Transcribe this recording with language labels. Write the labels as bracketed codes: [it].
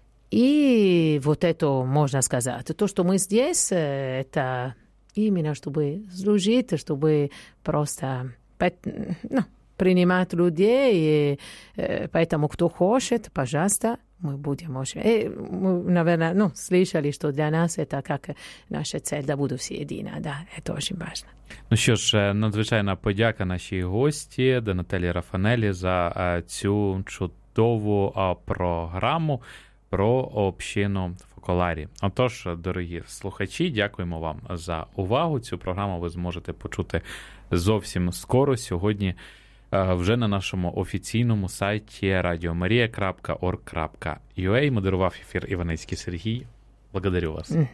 [ru] И вот это можно сказать. То, что мы здесь, это именно чтобы служить, чтобы просто, ну, принимать людей. И поэтому, кто хочет, пожалуйста, мы будем очень... И мы, наверное, ну, слышали, что для нас это как наша цель, да, буду все едина, да, это очень важно. [uk] Ну що ж, надзвичайна подяка нашій гості, до Наталії Рафанелі, за цю чудову програму про общину Фоколарі. Отож, дорогі слухачі, дякуємо вам за увагу. Цю програму ви зможете почути зовсім скоро, сьогодні, вже на нашому офіційному сайті radiomaria.org.ua. Модерував ефір Іваницький Сергій. [ru] Благодарю вас.